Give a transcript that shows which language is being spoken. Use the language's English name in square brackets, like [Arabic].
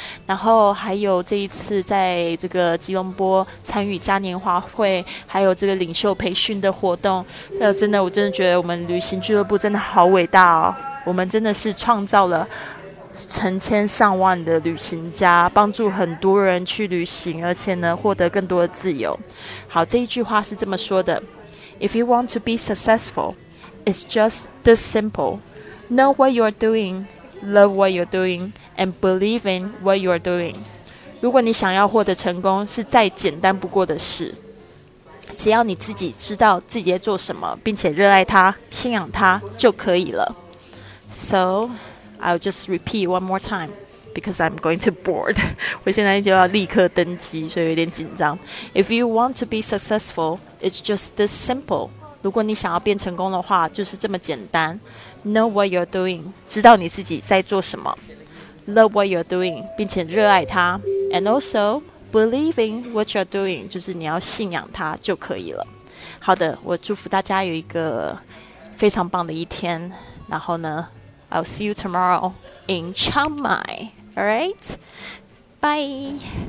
[Chinese] 然后还有这一次在这个吉隆坡参与嘉年华会还有这个领袖培训的活动，真的我真的觉得我们旅行俱乐部真的好伟大哦，我们真的是创造了成千上万的旅行家，帮助很多人去旅行，而且呢获得更多的自由。好，这一句话是这么说的， [English] If you want to be successful, it's just this simple. Know what you're doing, love what you're doing, and believe in what you're doing. [Chinese] 如果你想要获得成功，是再简单不过的事，只要你自己知道自己在做什么，并且热爱它，信仰它就可以了。 [English] SoI'll just repeat one more time because I'm going to board. [Chinese] 我现在就要立刻登机，所以有点紧张。 [English] If you want to be successful, it's just this simple. [Chinese] 如果你想要变成功的话，就是这么简单。 [English] Know what you're doing, [Chinese] 知道你自己在做什么。 [English] Love what you're doing, [Chinese] 并且热爱它。 [English] And also, believe in what you're doing, [Chinese] 就是你要信仰它就可以了。好的，我祝福大家有一个非常棒的一天，然后呢 [English] I'll see you tomorrow in Chiang Mai. All right? Bye.